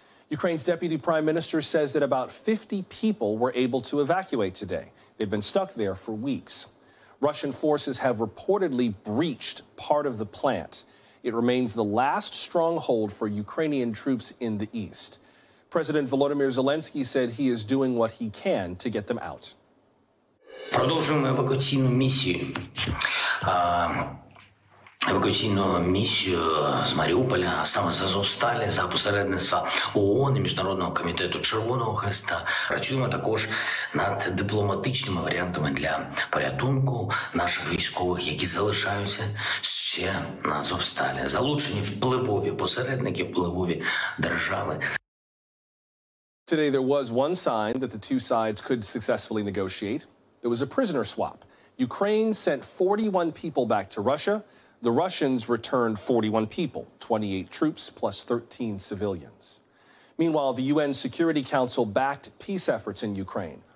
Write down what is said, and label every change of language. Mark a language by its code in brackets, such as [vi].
[en] Ukraine's deputy prime minister says that about 50 people were able to evacuate today. They've been stuck there for weeks. Russian forces have reportedly breached part of the plant. It remains the last stronghold for Ukrainian troops in the east. President Volodymyr Zelensky said he is doing what he can to get them out. [uk] Продовжуємо евакуаційну місію. Евакуаційну місію з Маріуполя, саме з Азовсталі, за посередництва ООН і Міжнародного комітету Червоного Хреста. Працюємо також над дипломатичними варіантами для порятунку наших військових, які залишаються ще на Азовсталі. Залучені впливові посередники, впливові держави. [en] Today there was one sign that the two sides could successfully negotiate. It was a prisoner swap. Ukraine sent 41 people back to Russia. The Russians returned 41 people, 28 troops plus 13 civilians. Meanwhile, the UN Security Council backed peace efforts in Ukraine.